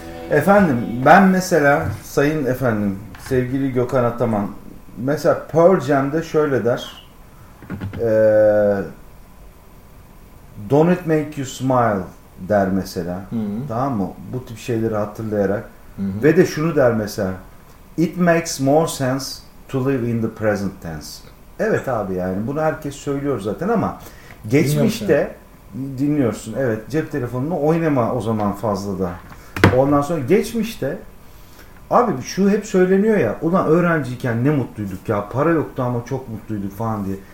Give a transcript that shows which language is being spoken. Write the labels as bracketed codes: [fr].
[tr] Efendim ben mesela sayın efendim sevgili Gökhan Ataman mesela Pearl Jam'de şöyle der. [en] Don't it make you smile [tr] der mesela. Tamam mı? Bu tip şeyleri hatırlayarak. Ve de şunu der mesela. [en] It makes more sense to live in the present tense. [tr] Evet abi yani bunu herkes söylüyor zaten ama geçmişte dinliyorsun. Evet cep telefonunu oynama o zaman fazla da. Ondan sonra geçmişte abi şu hep söyleniyor ya ulan öğrenciyken ne mutluyduk ya para yoktu ama çok mutluyduk falan diye.